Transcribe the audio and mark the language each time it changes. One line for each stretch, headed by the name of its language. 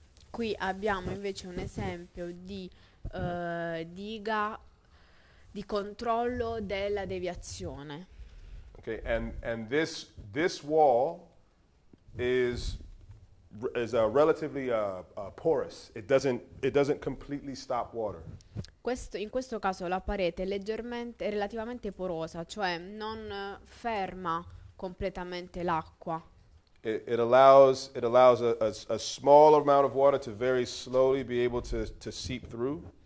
Italian: Qui abbiamo invece un esempio di diga di controllo della deviazione.
English: Okay, and this wall is a relatively porous. It doesn't completely stop water.
Italian: In questo caso la parete è leggermente, relativamente porosa, cioè non ferma completamente l'acqua.
English: It allows a small amount of water to very slowly be able to seep through.